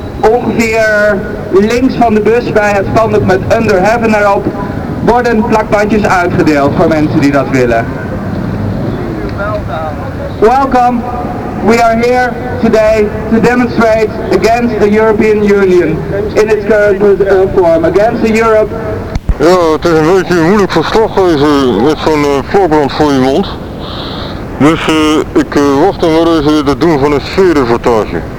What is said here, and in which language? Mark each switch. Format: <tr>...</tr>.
<nl>Ongeveer links van de bus bij het standbeeld met Under Heaven erop worden plakbandjes uitgedeeld voor mensen die dat willen.</nl> <en>Welcome, we are here today to demonstrate against the European Union in its current form, against the Europe.</en> <nl>Ja, het is een beetje moeilijk verslag geven met zo'n voorbrand voor je mond. Dus ik wacht dan wel even het doen van een sfeerreportage.</nl>